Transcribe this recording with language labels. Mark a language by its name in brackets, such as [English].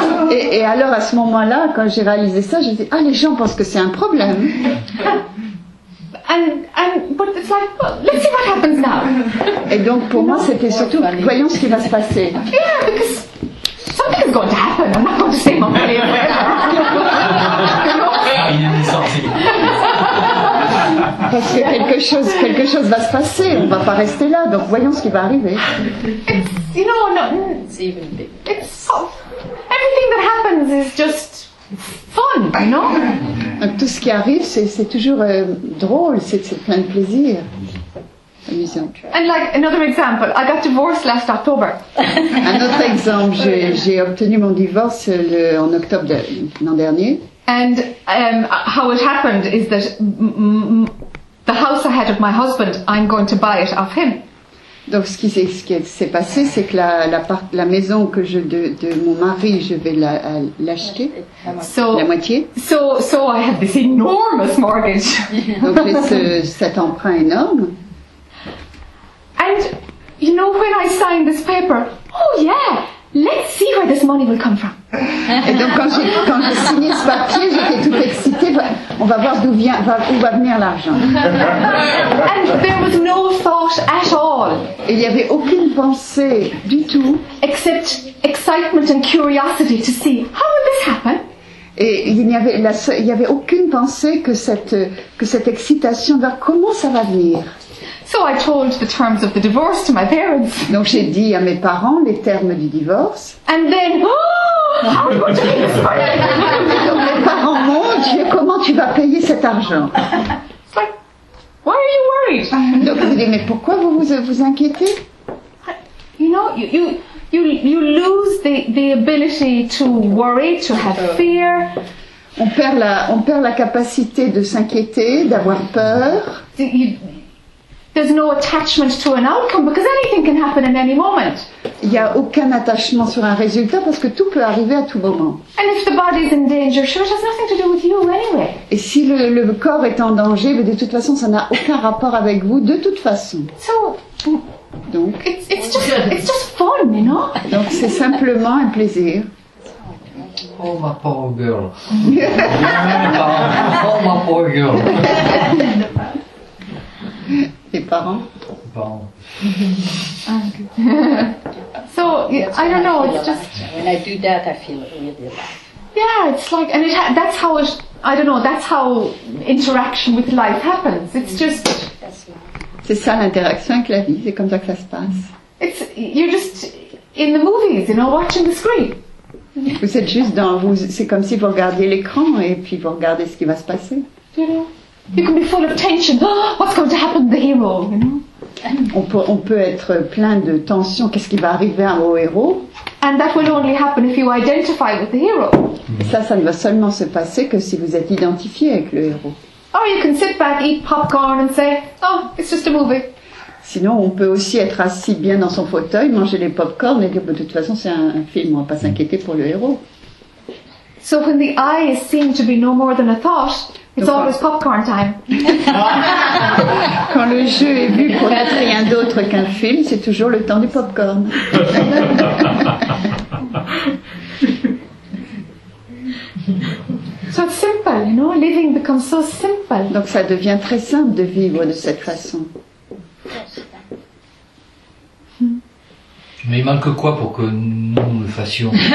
[French] Et alors à ce moment-là, quand j'ai réalisé ça, j'ai dit, ah, les gens pensent que c'est un problème. [English] And but it's like, well, let's see what happens now. [French] Et donc pour moi, c'était surtout, [English] funny. [French] Voyons ce qui va se passer. [English] Yeah, because something is going to happen. I'm not going to say more. [French] Ah, il est sorti. Parce que quelque chose va se passer. On va pas rester là. Donc voyons ce qui va arriver. [English] It's, you know, no, it's even bigger. It's so. Everything that happens is just fun, you know? [French] Donc tout ce qui arrive, c'est toujours drôle, c'est plein de plaisir. Amusant. [English] And like another example, I got divorced last October. [French] Un autre exemple, j'ai obtenu mon divorce en octobre de l'an dernier. [English] And how it happened is that the house I had of my husband, I'm going to buy it off him. [French] Donc ce qui s'est passé, c'est que la maison que de mon mari, je vais l'acheter, la moitié. [English] So I have this enormous mortgage. [French] Donc j'ai cet emprunt énorme. [English] And you know when I signed this paper, oh yeah, let's see where this money will come from. [French] Et donc quand j'ai signé ce papier, j'étais toute excitée. On va voir où va venir l'argent. [English] And there was no thought at all. [French] Et il n'y avait aucune pensée du tout. [English] Except excitement and curiosity to see how will this happen. [French] Et il n'y avait aucune pensée que cette excitation de voir comment ça va venir. [English] So I told the terms of the divorce to my parents. [French] Donc j'ai dit à mes parents les termes du divorce. [English] And then, oh, how would you pay for it? [French] Comment tu vas payer cet argent? [English] Like, why are you worried? [French] Donc vous dites, mais pourquoi vous inquiétez? [English] You know, you lose the ability to worry, to have fear. [French] On perd la capacité de s'inquiéter, d'avoir peur. [English] There's no attachment to an outcome because anything can happen at any moment. [French] Il y a aucun attachement sur un résultat parce que tout peut arriver à tout moment. [English] And if the body is in danger, sure, it has nothing to do with you anyway. [French] Et si le corps est en danger, mais de toute façon, ça n'a aucun rapport avec vous de toute façon. [English] So, [French] donc, [English] it's just fun, you know. [French] Donc c'est simplement un plaisir. [English] Oh my poor girl. Oh my poor girl. [French] Tes parents? [English] So I don't know. It's just when I do that, I feel really alive. Yeah, it's like, and that's how it. I don't know. That's how interaction with life happens. It's just. [French] C'est ça l'interaction avec la vie. C'est comme ça que ça se passe. [English] It's you're just in the movies, you know, watching the screen. [French] Vous êtes juste dans vous. C'est comme si vous regardiez l'écran et puis vous regardez ce qui va se passer. [English] You can be full of tension. What's going to happen to the hero? You know. [French] On peut être plein de tensions. Qu'est-ce qui va arriver au héros? [English] And that will only happen if you identify with the hero. [French] Ça ne va seulement se passer que si vous êtes identifié avec le héros. [English] Or you can sit back, eat popcorn, and say, oh, it's just a movie. [French] Sinon, on peut aussi être assis bien dans son fauteuil, manger les popcorns, et dire, de toute façon, c'est un film. On va pas s'inquiéter pour le héros. [English] So when the eye is seen to be no more than a thought. It's always popcorn time. [French] Quand le jeu est vu pour être rien d'autre qu'un film, c'est toujours le temps du popcorn. [English] So it's simple, you know, living becomes so simple. [French] Donc ça devient très simple de vivre de cette façon. Mais il manque quoi pour que nous le fassions?